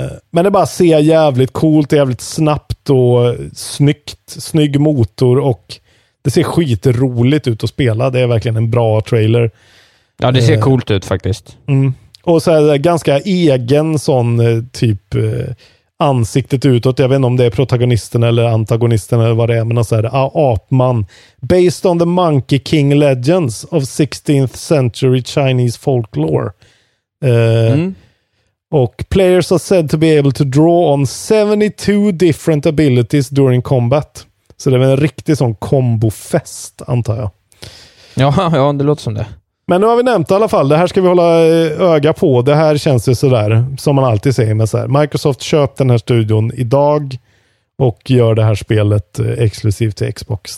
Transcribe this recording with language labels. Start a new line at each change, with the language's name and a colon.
Swedish: Men det bara ser jävligt coolt, jävligt snabbt och snyggt, snygg motor, och det ser skitroligt ut att spela. Det är verkligen en bra trailer. Ja, det ser coolt ut faktiskt. Och så är det ganska egen sån typ... ansiktet utåt. Jag vet inte om det är protagonisten eller antagonisten eller vad det är, men alltså är det apman.
English: Based on the Monkey King Legends of 16th century Chinese folklore. Och players are said to be able to draw on 72 different abilities during combat.
Swedish: Så det är en riktig sån kombofest, antar jag. Ja, det låter som det. Men nu har vi nämnt i alla fall. Det här ska vi hålla öga på. Det här känns ju sådär, som man alltid säger. Med så här. Microsoft köpte den här studion idag och gör det här spelet exklusivt till Xbox.